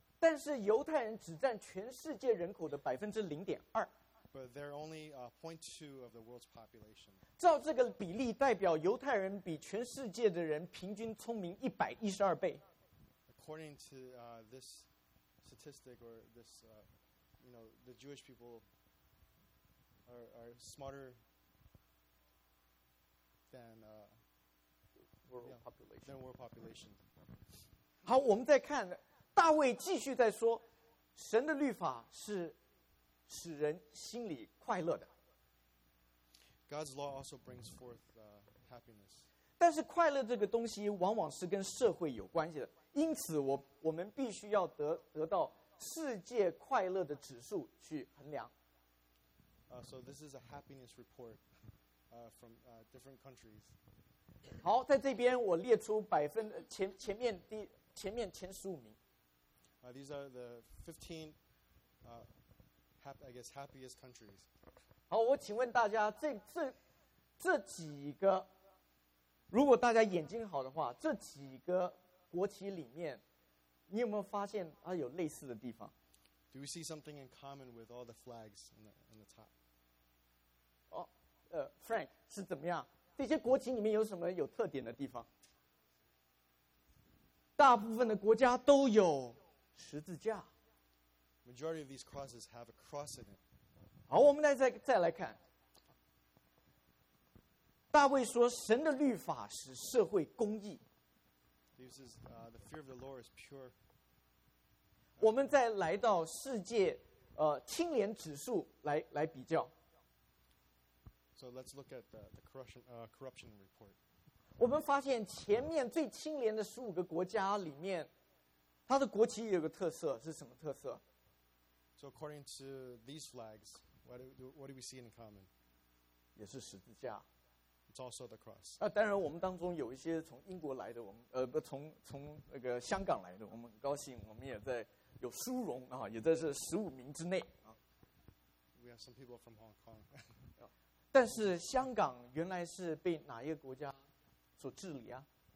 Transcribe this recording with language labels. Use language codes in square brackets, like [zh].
[zh] 但是犹太人只占全世界人口的0.2%。 [en] But they're only 0.2 of the world's population. [zh] 照这个比例，代表犹太人比全世界的人平均聪明112倍。 [en] According to this statistic, or this, you know, the Jewish people are smarter than world population. Than world population. [zh] 好，我们再看大卫继续在说，神的律法是。使人心里快乐的。 [en] God's law also brings forth happiness. [zh] 但是快乐这个东西往往是跟社会有关系的，因此我们必须要得到世界快乐的指数去衡量。 [en] So this is a happiness report from different countries. [zh] 好，在这边我列出前面前十五名。 [en] These are the 15. I guess happiest countries. [zh] 好，我请问大家，这几个，如果大家眼睛好的话，这几个国旗里面，你有没有发现它有类似的地方 [en] ？Do you see something in common with all the flags in the top? [zh] Frank 是怎么样？这些国旗里面有什么有特点的地方？大部分的国家都有十字架。 [en] Majority of these crosses have a cross in it. [zh] 好，我们再来看。大卫说：“神的律法使社会公义。” [en] David says, "The fear of the Lord is pure." [zh] 我们再来到世界清廉指数来比较。 [en] So let's look at the corruption report. [zh] 我们发现前面最清廉的十五个国家里面，它的国旗有个特色，是什么特色？ [en] So according to these flags, what do we see in common? [zh] 也是十字架。 [en] It's also the cross. [zh] 那当然，我们当中有一些从英国来的，我们从那个香港来的，我们很高兴，我们也在有殊荣啊，也在这十五名之内啊。 [en] We have some people from Hong Kong. [zh] 但是香港原来是被哪一个国家所治理啊？